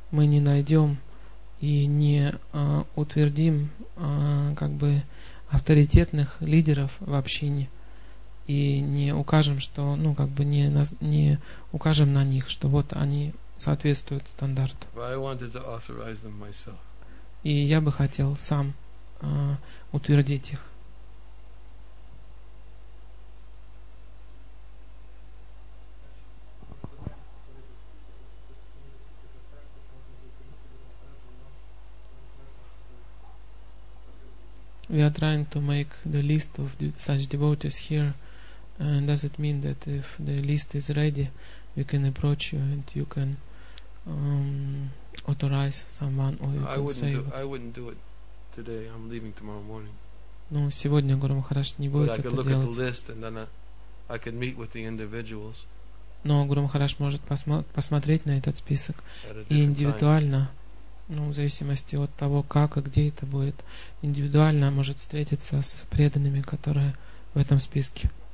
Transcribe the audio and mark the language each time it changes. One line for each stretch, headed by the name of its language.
Russian: Мы не найдем и не утвердим как бы авторитетных лидеров в общине и не укажем, что, ну, как бы не укажем на них, что вот они соответствуют стандарту.
English: But I wanted to authorize them myself.
Russian: И я бы хотел сам утвердить их.
English: We are trying to make the list of such devotees here. Does it mean that if the list is ready, we can approach you and you can authorize someone, or you can say. I wouldn't do it today. I'm leaving tomorrow morning.
Russian: Ну, сегодня Гуру Махарадж не будет это делать.
English: But I could look at the list and then I could meet with the individuals.
Russian: Но Гуру Махарадж может посмотреть на этот список и индивидуально, ну, в зависимости от того, как и где это будет, индивидуально может встретиться с преданными, которые в этом списке.